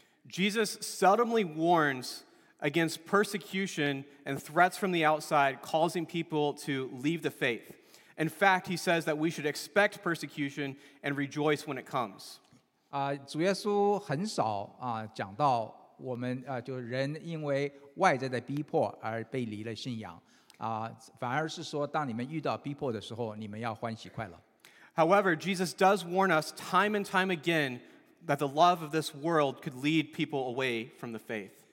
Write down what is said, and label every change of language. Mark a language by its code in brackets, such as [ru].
[en] Jesus seldomly warns against persecution and threats from the outside causing people to leave the faith. In fact, he says that we should expect persecution and rejoice when it comes. [zh] 主耶稣很少讲到我们就人因为外在的逼迫而背离了信仰。 [en] However, Jesus does warn us time and time again that the love of this world could lead people away from the faith.